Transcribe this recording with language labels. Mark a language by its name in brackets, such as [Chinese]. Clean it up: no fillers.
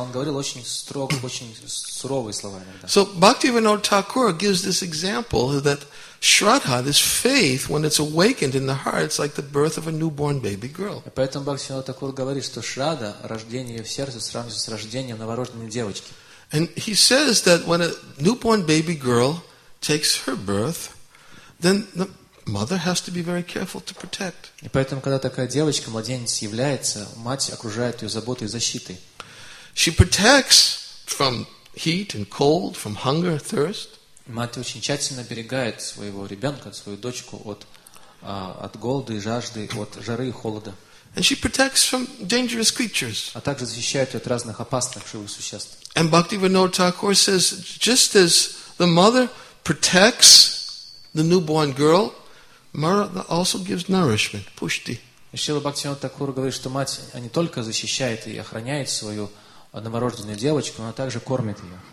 [Russian] Он говорил очень строго, очень суровые слова иногда. [English] So Bhaktivinoda Thakur gives this example that Shraddha, this faith, when it's awakened in the heart, it's like the birth of a newborn baby girl. [Russian] Поэтому Бхактивинода Такур говорит, что Шрадда, рождение в сердце, сравнится с рождением новорожденной девочки. [English] And he says that when a newborn baby girl takes her birth, then the mother has to be very careful to protect. [Russian] И поэтому, когда такая девочка, младенец является, мать окружает ее заботой и защитой. [English] She protects from heat and cold, from hunger, thirst. [Russian] Мать очень тщательно оберегает своего ребенка, свою дочку от голода и жажды, от жары и холода. [English] And she protects from dangerous creatures. [Russian] А также защищает ее от разных опасных живых существ. [English] And Bhaktivinoda Thakur says, just as the mother protects the newborn girl, Maratha also gives nourishment, pushti. [Russian] Шрила Бхактивинода Такур говорит, что мать не только защищает и охраняет свою новорожденную девочку, она также кормит ее.